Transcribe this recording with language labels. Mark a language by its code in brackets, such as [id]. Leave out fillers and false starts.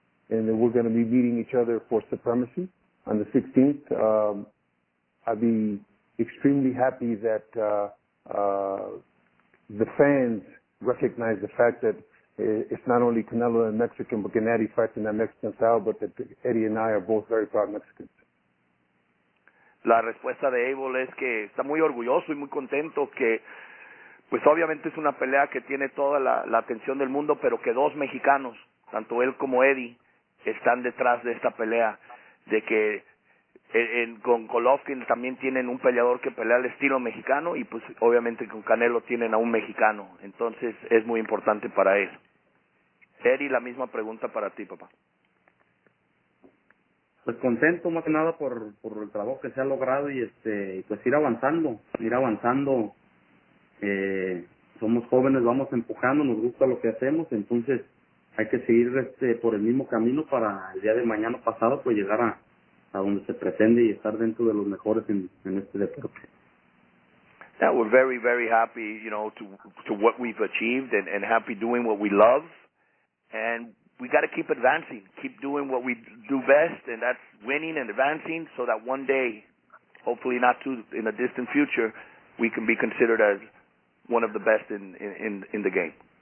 [en] And then we're going to be meeting each other for supremacy on the 16th. I'd be extremely happy that the fans recognize the fact that it's not only Canelo and Mexican, but Gennady fighting that Mexican style, but that Eddie and I are both very proud Mexicans. [es] La respuesta de Abel es que está muy orgulloso y muy contento que, pues obviamente es una pelea que tiene toda la atención del mundo, pero que dos mexicanos, tanto él como Eddie, están detrás de esta pelea, de que Con Golovkin también tienen un peleador que pelea al estilo mexicano, y pues obviamente con Canelo tienen a un mexicano. Entonces es muy importante para él. Eri, la misma pregunta para ti, papá. Pues contento más que nada por el trabajo que se ha logrado y pues ir avanzando. Somos jóvenes, vamos empujando, nos gusta lo que hacemos, entonces hay que seguir por el mismo camino para el día de mañana pasado pues llegar a donde se pretende y estar dentro de los mejores en este deporte. [en] Now we're very, very happy, you know, to what we've achieved and happy doing what we love. And we got to keep advancing, keep doing what we do best, and that's winning and advancing, so that one day, hopefully not too in a distant future, we can be considered as one of the best in the game.